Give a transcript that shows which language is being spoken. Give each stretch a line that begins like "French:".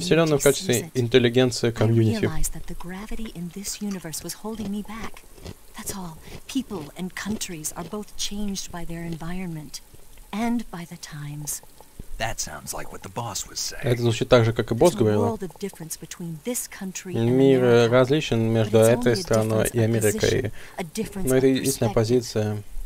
Russian: Вселенную в качестве интеллигенции комьюнити.
English: I realized that the gravity in this universe was holding me back. That's all. People and countries are both changed by their environment and by the times. That sounds like what the boss was saying.
Russian: Это звучит так же, как и босс говорил. Мир различен между этой страной и Америкой. Но это единственная позиция.